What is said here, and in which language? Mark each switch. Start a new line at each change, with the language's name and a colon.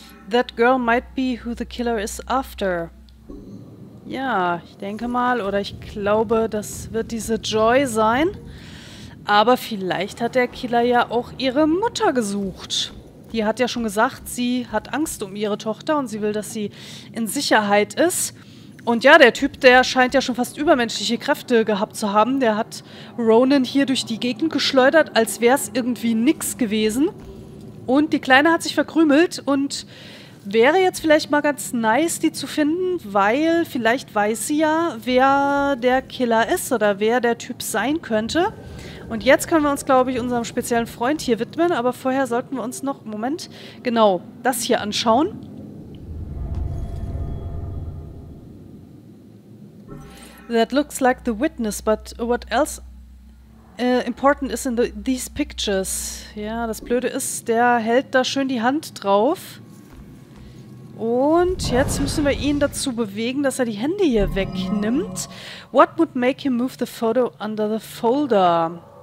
English: That girl might be who the killer is after.
German: Ja, ich denke mal, oder ich glaube, das wird diese Joy sein. Aber vielleicht hat der Killer ja auch ihre Mutter gesucht. Die hat ja schon gesagt, sie hat Angst um ihre Tochter und sie will, dass sie in Sicherheit ist. Und ja, der Typ, der scheint ja schon fast übermenschliche Kräfte gehabt zu haben. Der hat Ronan hier durch die Gegend geschleudert, als wäre es irgendwie nix gewesen. Und die Kleine hat sich verkrümelt und wäre jetzt vielleicht mal ganz nice, die zu finden, weil vielleicht weiß sie ja, wer der Killer ist oder wer der Typ sein könnte. Und jetzt können wir uns, glaube ich, unserem speziellen Freund hier widmen, aber vorher sollten wir uns noch, Moment, genau, das hier anschauen.
English: That looks like the witness, but what else important is in these pictures?
German: Ja, das Blöde ist, der hält da schön die Hand drauf. Und jetzt müssen wir ihn dazu bewegen, dass er die Hände hier wegnimmt.
English: What would make him move the photo under the folder?